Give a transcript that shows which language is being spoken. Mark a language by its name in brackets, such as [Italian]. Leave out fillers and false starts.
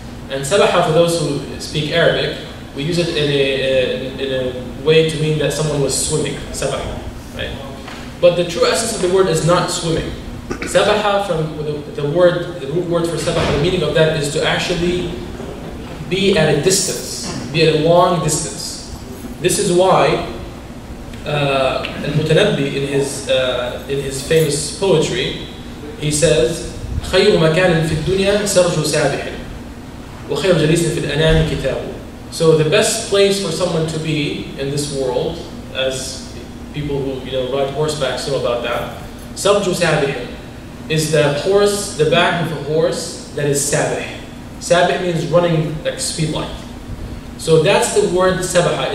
[English] And sabaha, for those who speak Arabic, we use it in a way to mean that someone was swimming, sabaha, right? But the true essence of the word is not swimming. Sabaha, from the root word for sabaha, the meaning of that is to actually be at a distance, be at a long distance. This is why al-Mutanabbi, in his famous poetry, he says, [Arabic] خَيْرُ مَكَانٍ فِي الدُّنْيَا سَرْجُ سَابِحٍ وَخَيْرُ جَلِيسٍ فِي الْأَنَامِ كِتَابُ. [English] So the best place for someone to be in this world, as people who ride horseback know about that, [Arabic] سَرْجُ سَابِحٍ [English] is the horse, the back of a horse that is سَابِح. سَابِح means running like speed light. So that's the word سَبَحَ.